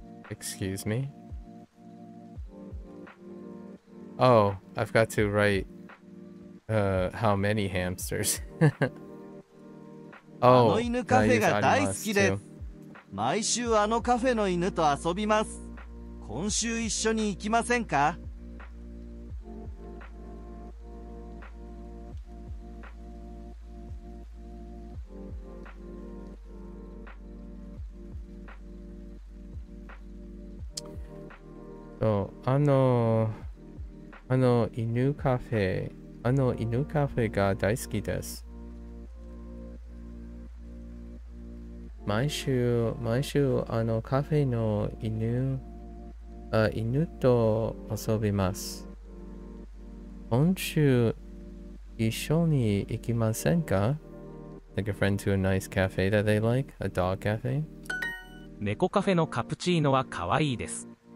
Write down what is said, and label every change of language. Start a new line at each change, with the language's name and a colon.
English: Excuse me. Oh, I've got to write, how many hamsters. Oh,
Japanese: あの犬カフェが大好きです。毎週あのカフェの犬と遊びます。今週一緒に行きませんか？そう、犬カフェ、犬カフェが大好きです。毎週カフェの犬と遊びます。今週一緒に行きませんか？
English: Like a friend to a nice cafe that they like, a dog cafe.
Japanese: 猫カフェのカプチーノは可愛いです。